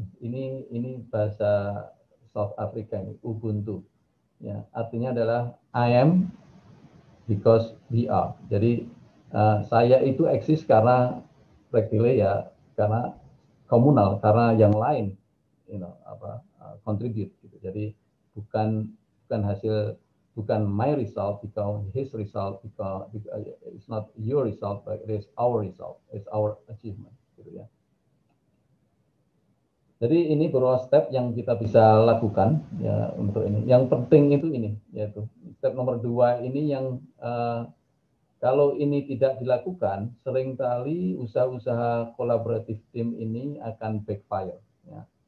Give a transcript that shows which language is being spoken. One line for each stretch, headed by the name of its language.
Indonesian: Ini bahasa South Africa ini Ubuntu. Ya, artinya adalah
English: I am because we are.
Indonesian: Jadi saya itu eksis karena practically ya karena komunal, karena yang lain
English: you know
Indonesian: apa contribute gitu. Jadi bukan hasil, bukan
English: my result because his result because it's not your result but it is our result, it's our achievement
Indonesian: gitu ya. Jadi ini beberapa step yang kita bisa lakukan ya untuk ini. Yang penting itu ini, yaitu step nomor dua ini yang kalau ini tidak dilakukan, seringkali usaha-usaha kolaboratif tim ini akan backfire. Ya.